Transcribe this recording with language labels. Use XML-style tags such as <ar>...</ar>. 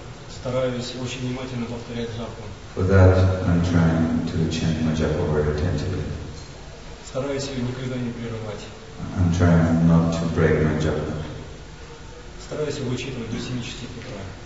<ru>Стараюсь очень внимательно повторять джапу.</ru> <en>For that, I'm trying to chant my japa very attentively.</en> <ru>Стараюсь ее никогда не прерывать.</ru> <en>I'm trying not to break my japa.</en> <ru>Стараюсь его учитывать до 7 часов утра.</ru>